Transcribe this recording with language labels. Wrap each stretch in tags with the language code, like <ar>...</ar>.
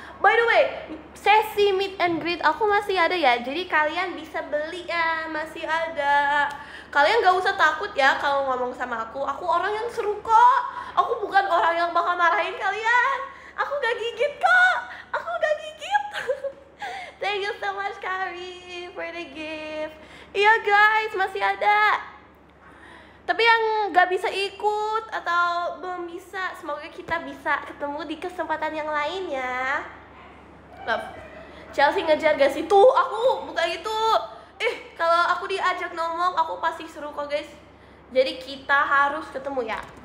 <en>By the way,</en> <id>sesi meet and greet aku masih ada ya. Jadi kalian bisa beli ya, masih ada. Kalian gak usah takut ya kalau ngomong sama aku. Aku orang yang seru kok. Aku bukan orang yang bakal marahin kalian. Aku gak gigit kok. Aku gak gigit.</id> <en>Thank you so much Kari for the gift.</en> <id>Iya guys, masih ada. Tapi yang gak bisa ikut atau belum bisa, semoga kita bisa ketemu di kesempatan yang lain ya. Love, Chelsea ngejar gak sih? Tuh, aku bukan itu. Kalau aku diajak ngomong, aku pasti seru kok guys. Jadi kita harus ketemu ya.</id>